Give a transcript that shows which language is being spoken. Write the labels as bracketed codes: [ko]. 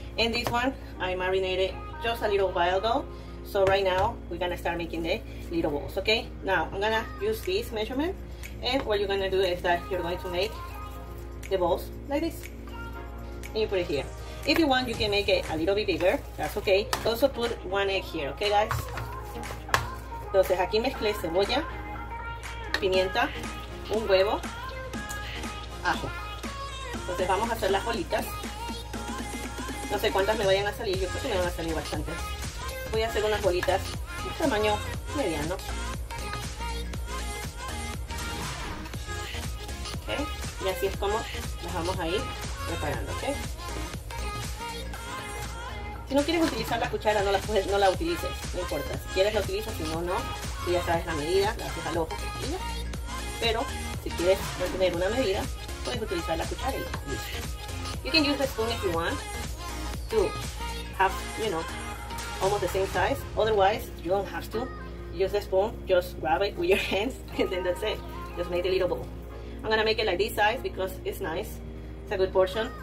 [en] And this one, I marinated just a little while ago. So right now, we're gonna start making the little balls, okay? Now, I'm gonna use this measurement, and what you're gonna do is that you're going to make the balls like this. And you put it here. If you want, you can make it a little bit bigger, that's okay. Also put one egg here, okay, guys? [es] Entonces, aquí mezclé cebolla, pimienta, un huevo, ajo. Entonces vamos a hacer las bolitas. No sé cuántas me vayan a salir, yo creo que me van a salir bastantes. Voy a hacer unas bolitas de tamaño mediano. Okay. Y así es como las vamos a ir preparando. Okay. Si no quieres utilizar la cuchara, no la utilices, no importa. Si quieres la utilizas, si no, no. Y ya sabes la medida, la haces al ojo. Pero si quieres tener una medida, puedes utilizar la cuchara y listo. [en] You can use the spoon if you want to have, you know, almost the same size. Otherwise, you don't have to. Use the spoon, just grab it with your hands, and then that's it. Just make the little bowl. I'm gonna make it like this size because it's nice. It's a good portion.